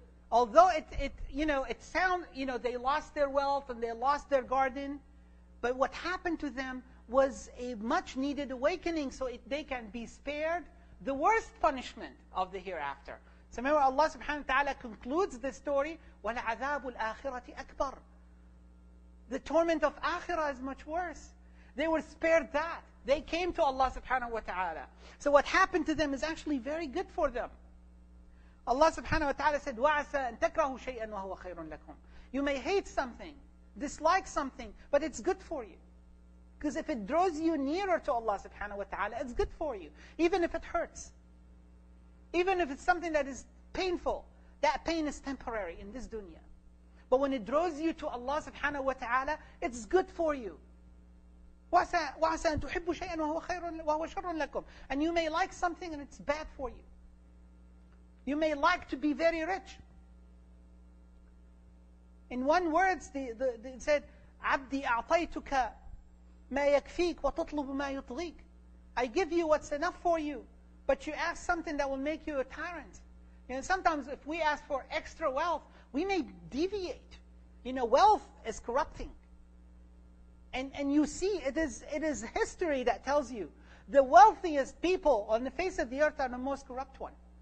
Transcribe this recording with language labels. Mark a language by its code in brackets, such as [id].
[en] Although they lost their wealth and they lost their garden, but what happened to them was a much needed awakening so they can be spared the worst punishment of the hereafter. So remember, Allah subhanahu wa ta'ala concludes the story, [ar] وَالْعَذَابُ الْآخِرَةِ أَكْبَرُ. [en] The torment of Akhirah is much worse. They were spared that. They came to Allah subhanahu wa ta'ala. So what happened to them is actually very good for them. Allah subhanahu wa ta'ala said, [ar] وَعَسَىٰ أَن تَكْرَهُ شَيْئًا وَهُوَ خَيْرٌ لَكُمْ. [en] You may hate something, dislike something, but it's good for you. Because if it draws you nearer to Allah subhanahu wa ta'ala, it's good for you. Even if it hurts. Even if it's something that is painful, that pain is temporary in this dunya. But when it draws you to Allah subhanahu wa ta'ala, it's good for you. [ar] وَعَسَىٰ أَن تُحِبُّ شَيْئًا وَهُوَ شَرٌ لَكُمْ. [en] And you may like something and it's bad for you. You may like to be very rich. In one word, it said, [ar] عَبْدِي أَعْطَيْتُكَ مَا يَكْفِيكَ وَتُطْلُبُ مَا يُطْلِيكَ. [en] I give you what's enough for you, but you ask something that will make you a tyrant. You know, sometimes if we ask for extra wealth, we may deviate. You know, wealth is corrupting. And you see, it is history that tells you the wealthiest people on the face of the earth are the most corrupt one.